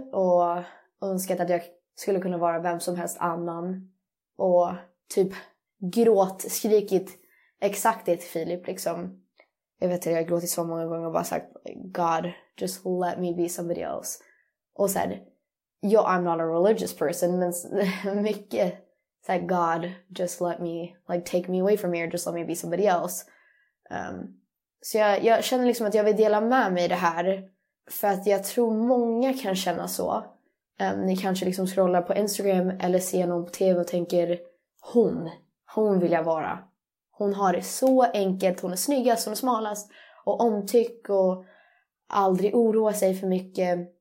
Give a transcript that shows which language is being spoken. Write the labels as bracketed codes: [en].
[sv] Och önskat att jag skulle kunna vara vem som helst annan. Och typ skrikit exakt det till Filip. Liksom. Jag vet inte, jag har gråtit så många gånger och bara sagt [en] God, just let me be somebody else. [sv] Och sen... [en] I'm not a religious person, [sv] men mycket [en] that God, just let me, like, take me away from here, just let me be somebody else. [sv] Så jag känner liksom att jag vill dela med mig det här, för att jag tror många kan känna så. ni kanske liksom scrollar på Instagram eller ser någon på TV och tänker hon vill jag vara. Hon har det så enkelt, hon är snyggast, hon är smalast och omtyck och aldrig oroa sig för mycket.